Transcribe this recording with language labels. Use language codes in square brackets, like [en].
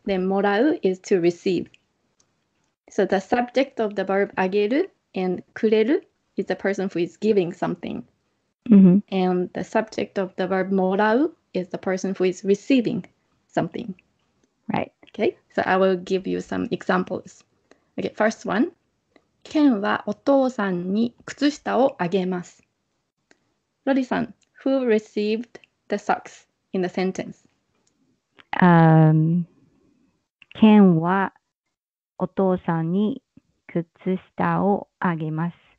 [en] Then morau is to receive. So the subject of the verb ageru and kureru is the person who is giving something. Mm-hmm. And the subject of the verb morau is the person who is receiving something. Right. Okay, so I will give you some examples. Okay, first one. [ja] ケンはお父さんに靴下をあげます。 [en] Lori-san, who received the socks in the sentence? [ja] ケンはお父さんに靴下をあげます。